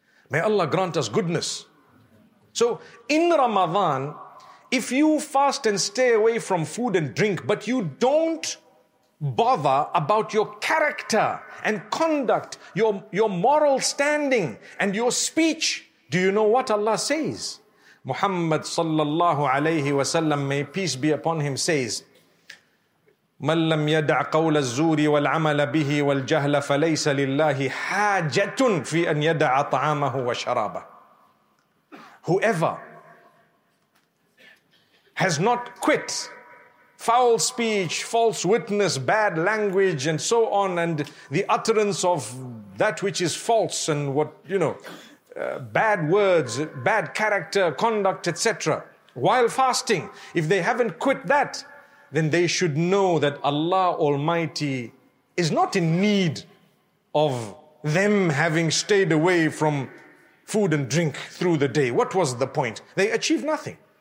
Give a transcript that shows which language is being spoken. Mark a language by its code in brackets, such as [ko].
[en] May Allah grant us goodness. So in Ramadan, if you fast and stay away from food and drink, but you don't bother about your character and conduct, your moral standing and your speech, do you know what Allah says? Muhammad sallallahu alayhi wa sallam, may peace be upon him, says, [ar] مَنْ لَمْ يَدْعَ قَوْلَ الزُّورِ وَالْعَمَلَ بِهِ وَالْجَهْلَ فَلَيْسَ لِلَّهِ حَاجَةٌ فِي أَنْ يَدْعَ طَعَامَهُ وَشَرَابَهُ. [en] Whoever has not quit foul speech, false witness, bad language, and so on, and the utterance of that which is false, and what, you know, bad words, bad character, conduct, etc., while fasting, if they haven't quit that, then they should know that Allah Almighty is not in need of them having stayed away from food and drink through the day. What was the point? They achieved nothing.